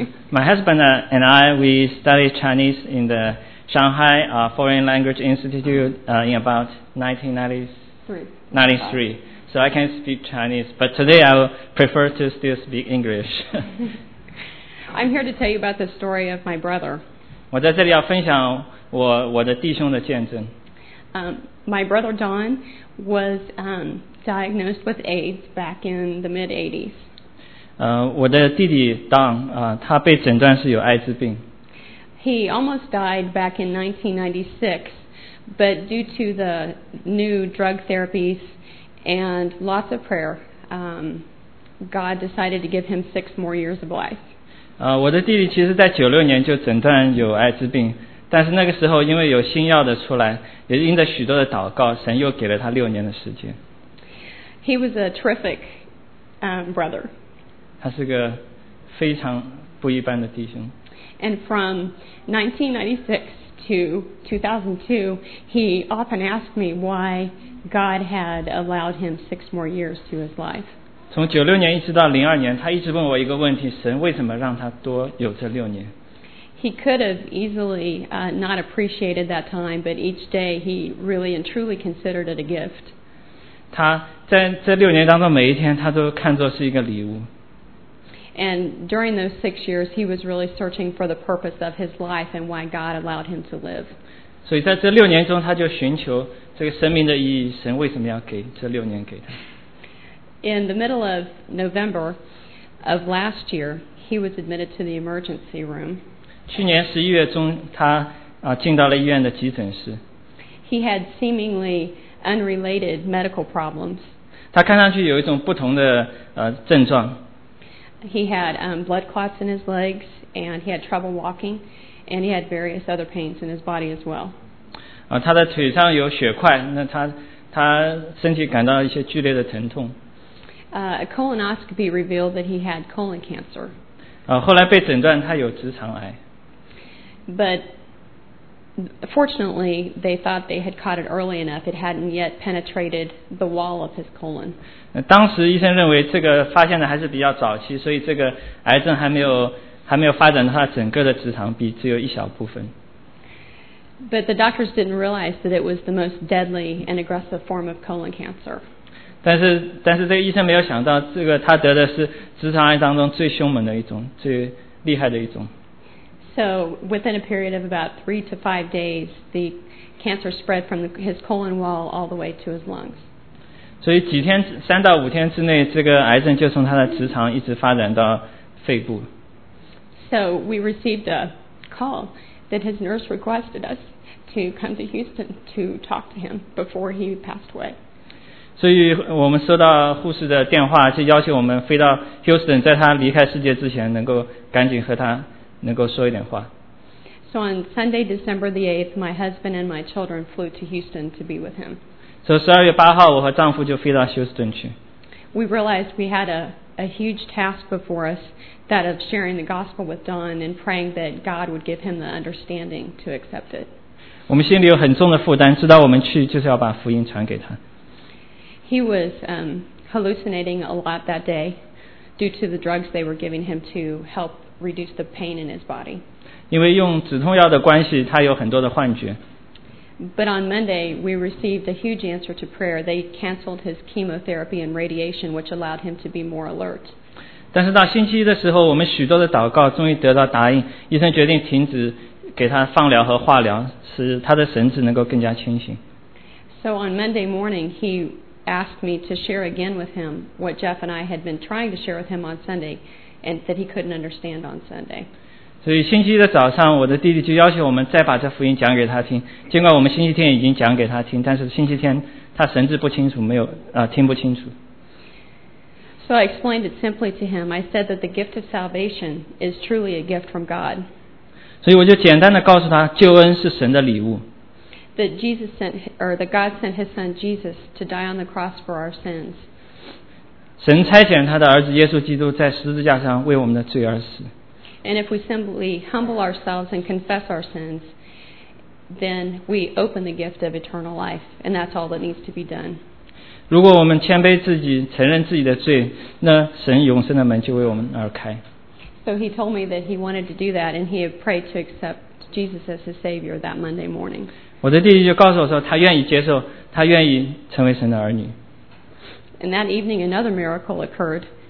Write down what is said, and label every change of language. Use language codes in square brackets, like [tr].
[en] My husband and I we studied Chinese in the Shanghai Foreign Language Institute in about 1990s. 93. So I can speak Chinese, but today I prefer to still speak English. I'm here to tell you about the story of my brother. [zh] 我在这里要分享我的弟兄的见证。 [en] My brother John was diagnosed with AIDS back in the mid 80s. [zh] 我的弟弟 Don, 他被诊断是有艾滋病。 [en] He almost died back in 1996. But due to the new drug therapies and lots of prayer, God decided to give him 6 more years of life. [zh] 我的弟弟其实在96年就诊断有艾滋病，但是那个时候因为有新药的出来，也因着许多的祷告，神又给了他6年的时间。 [en] He was a terrific brother. [zh] 他是个非常不一般的弟兄。 [en] And from 1996 to 2002, he often asked me why God had allowed him 6 more years to his life. [zh] 从96年一直到02年，他一直问我一个问题：神为什么让他多有这六年？ [en] He could have easily not appreciated that time, but each day he really and truly considered it a gift. [zh] 他在这六年当中每一天，他都看作是一个礼物。 [en] And during those 6 years, he was really searching for the purpose of his life and why God allowed him to live. [zh] 所以在这六年中，他就寻求这个生命的意义，神为什么要给这六年给他。 [en] In the middle of November of last year, he was admitted to the emergency room. [zh] 去年11月中，他进到了医院的急诊室。 [en] He had seemingly unrelated medical problems. [zh] 他看上去有一种不同的症状。 [en] He had blood clots in his legs, and he had trouble walking, and he had various other pains in his body as well. [zh] 他的腿上有血块，那他身体感到一些剧烈的疼痛。 [en] A colonoscopy revealed that he had colon cancer. [zh] 后来被诊断他有直肠癌。 [en] But fortunately, they thought they had caught it early enough. It hadn't yet penetrated the wall of his colon. [zh] 当时医生认为这个发现的还是比较早期，所以这个癌症还没有发展到他整个的直肠壁，只有一小部分。 [en] But the doctors didn't realize that it was the most deadly and aggressive form of colon cancer. [zh] 但是这个医生没有想到，这个他得的是直肠癌当中最凶猛的一种，最厉害的一种。 [en] So within a period of about 3 to 5 days, the cancer spread from his colon wall all the way to his lungs. [zh] 所以几天，三到五天之内，这个癌症就从他的直肠一直发展到肺部。 [en] So we received a call that his nurse requested us to come to Houston to talk to him before he passed away. [zh] 所以我们收到护士的电话，就邀请我们飞到 Houston， 在他离开世界之前，能够赶紧和他。能够说一点话。 [en] So on Sunday, December the 8th, my husband and my children flew to Houston to be with him. So [zh] 12月8号，我和丈夫就飞到休斯顿去。 [en] We realized we had a a huge task before us, that of sharing the gospel with Don and praying that God would give him the understanding to accept it. [zh] 我们心里有很重的负担，知道我们去就是要把福音传给他。 [en] He was hallucinating a lot that day due to the drugs they were giving him to help reduce the pain in his body. [zh] 因为用止痛药的关系，他有很多的幻觉。 [en] But on Monday, we received a huge answer to prayer. They canceled his chemotherapy and radiation, which allowed him to be more alert. [zh] 但是到星期一的时候，我们许多的祷告终于得到答应，医生决定停止给他放疗和化疗，使他的神志能够更加清醒。 [en] So on Monday morning, he asked me to share again with him what Jeff and I had been trying to share with him on Sunday, and that he couldn't understand on Sunday. [zh] 所以星期一的早上，我的弟弟就要求我们再把这福音讲给他听。尽管我们星期天已经讲给他听，但是星期天他神志不清楚，没有听不清楚。 [en] So I explained it simply to him. I said that the gift of salvation is truly a gift from God. [zh] 所以我就简单的告诉他，救恩是神的礼物。 [en] That Jesus sent, or that God sent His Son Jesus to die on the cross for our sins. [zh] 神差遣他的儿子耶稣基督在十字架上为我们的罪而死。 [en] And if we simply humble ourselves and confess our sins, then we open the gift of eternal life, and that's all that needs to be done. [zh] 如果我们谦卑自己，承认自己的罪，那神永生的门就为我们而开。 [en] So he told me that he wanted to do that, and he had prayed to accept Jesus as his Savior that Monday morning. [zh] 我的弟弟就告诉我说，他愿意接受，他愿意成为神的儿女。 [en] And that evening, another miracle occurred.